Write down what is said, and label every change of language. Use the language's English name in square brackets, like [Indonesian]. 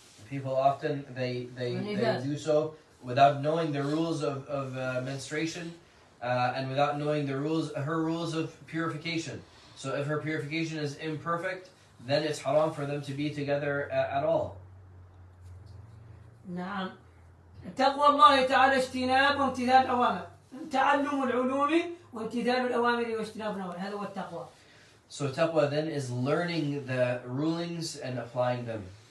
[English] People often, they do so without knowing the rules of menstruation, and without knowing the rules, her rules of purification. So if her purification is imperfect, then it's haram for them to be together at all. [Arabic] نعم. تقوى الله تعالى اجتناب وامتثال الأوامر. تعلم العلوم وامتثال الأوامر واجتناب النواهي. هذا هو التقوى. [English] So taqwa then is learning the rulings and applying them.